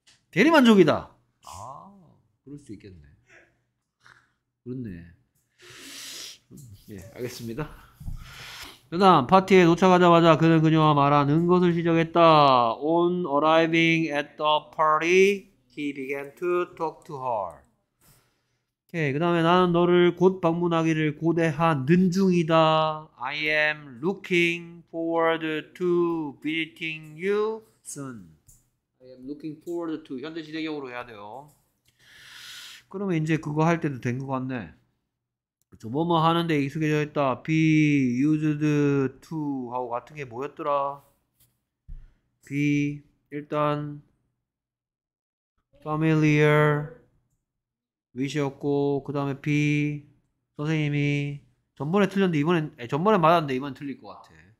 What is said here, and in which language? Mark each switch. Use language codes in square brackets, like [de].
[ko] 대리만족이다. 아 그럴 수 있겠네. 그렇네. 예, 알겠습니다. 그다음 파티에 도착하자마자 그는 그녀와 말하는 것을 시작했다. [en] On arriving at the party, he began to talk to her. [ko] 오케이, 그다음에 나는 너를 곧 방문하기를 고대하는 중이다. [en] I am looking forward to visiting you soon. I am looking forward to [ko] 현재 시제형으로 해야 돼요. 그러면 이제 그거 할 때도 된 것 같네. 뭐뭐 하는데 익숙해져 있다. [en] Be used to [ko] 하고 같은 게 뭐였더라? Be 일단 [en] familiar with [ko] 였고 그 다음에 be 선생님이 전번에 틀렸는데 이번엔 전번에 맞았는데 이번엔 틀릴 것 같아.